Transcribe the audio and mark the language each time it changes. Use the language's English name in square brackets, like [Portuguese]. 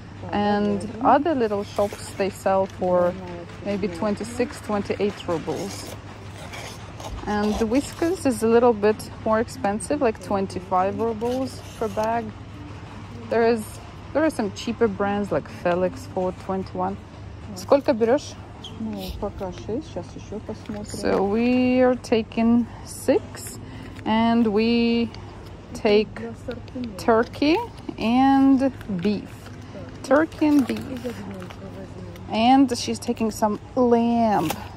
[English] And other little shops, they sell for maybe 26-28 rubles. And the whiskers is a little bit more expensive, like 25 rubles per bag. There are some cheaper brands like Felix for 21. [Russian] Сколько берешь? Ну, пока 6, сейчас еще посмотрим. [English] So we are taking 6, and we take turkey and beef. Turkey and beef. And she's taking some lamb.